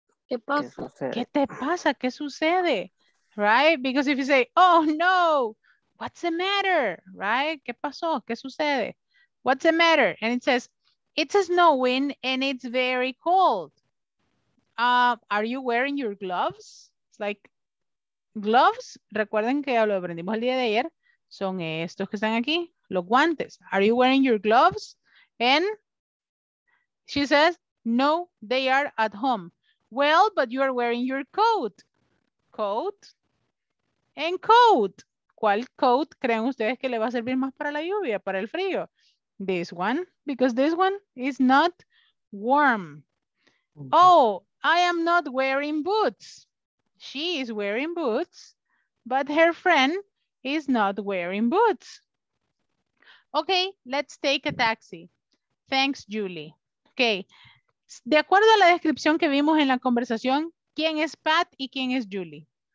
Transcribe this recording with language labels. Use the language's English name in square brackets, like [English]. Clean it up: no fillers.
[Spanish] ¿Qué pasa? ¿Qué te pasa? ¿Qué sucede? [English] Right? Because if you say, oh, no. What's the matter? Right? [Spanish] ¿Qué pasó? ¿Qué sucede? [English] What's the matter? And it says, it's snowing and it's very cold. Are you wearing your gloves? Like gloves, [Spanish] recuerden que lo aprendimos el día de ayer, son estos que están aquí, los guantes. [English] Are you wearing your gloves? And she says, no, they are at home. Well, but you are wearing your coat. Coat and coat. [Spanish] ¿Cuál coat creen ustedes que le va a servir más para la lluvia, para el frío? [English] This one, because this one is not warm. Oh, I am not wearing boots. She is wearing boots, but her friend is not wearing boots. Okay, let's take a taxi. Thanks, Julie. [Spanish] Okay, de acuerdo a la descripción que vimos en la conversación, ¿quién es Pat y quién es Julie?